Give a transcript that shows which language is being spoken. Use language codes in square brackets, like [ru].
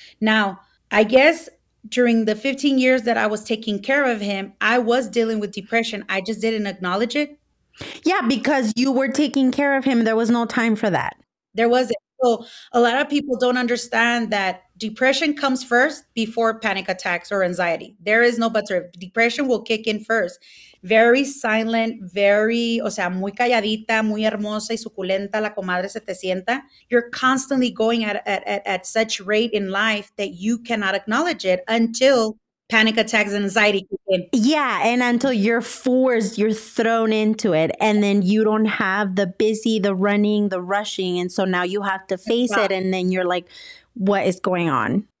[en] Now, I guess during the 15 years that I was taking care of him, I was dealing with depression. I just didn't acknowledge it. Yeah, because you were taking care of him. There was no time for that. There wasn't. So a lot of people don't understand that depression comes first before panic attacks or anxiety. There is no buts or depression will kick in first. Very silent, [es] muy calladita, muy hermosa y suculenta, la comadre se te sienta. [en] You're constantly going at such rate in life that you cannot acknowledge it until panic attacks and anxiety. Yeah. And until you're forced, you're thrown into it. And then you don't have the busy, the running, the rushing. And so now you have to face it. And then you're like, what is going on?